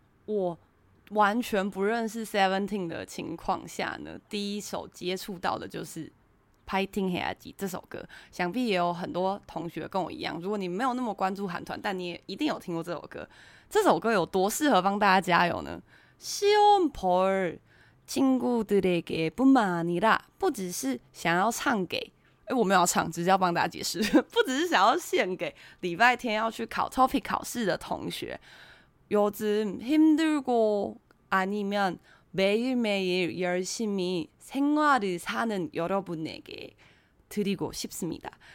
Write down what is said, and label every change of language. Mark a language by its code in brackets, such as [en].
[zh] 我完全不认识 Seventeen 的情况下呢，第一首接触到的就是Fighting Heiji 这首歌，想必也有很多同学跟我一样，如果你没有那么关注韩团，但你也一定有听过这首歌。这首歌有多适合帮大家加油呢？ [ko] 시험볼친구들에게뿐만아니라， [zh] 不只是想要唱给，我没有要唱，只是要帮大家解释，不只是想要献给礼拜天要去考 topic 考试的同学。 [ko] 요즘힘들고아니면매일매일열심히생활을사는여러분에게드리고싶습니다，